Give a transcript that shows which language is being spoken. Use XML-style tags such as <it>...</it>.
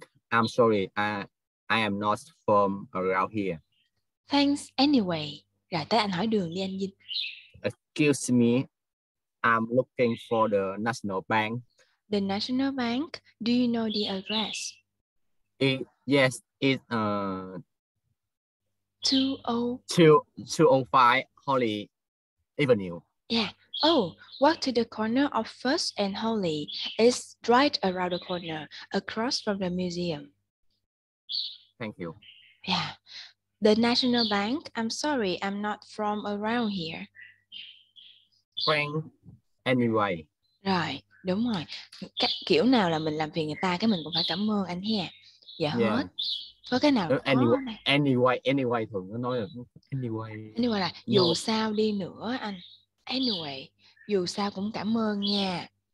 <en>I'm sorry, I am not from around here. Thanks anyway.</en> <vi>Rồi tới anh hỏi đường đi anh Vinh.</vi> <en>Excuse me, I'm looking for the National Bank. The National Bank? Do you know the address? Yes, it's 205 Holly Avenue. Yeah. Oh, walk to the corner of First and Holly. It's right around the corner, across from the museum. Thank you. Yeah. The National Bank, I'm sorry, I'm not from around here. Frank, anyway.</en> <vi>Right, đúng rồi. Kiểu nào là mình làm phiền người ta, cái mình cũng phải cảm ơn anh ha. Dạ hết. Có cái nào anyway, thường nó nói là anyway. Anyway là dù sao đi nữa anh. Anyway, dù sao cũng cảm ơn nha.</vi>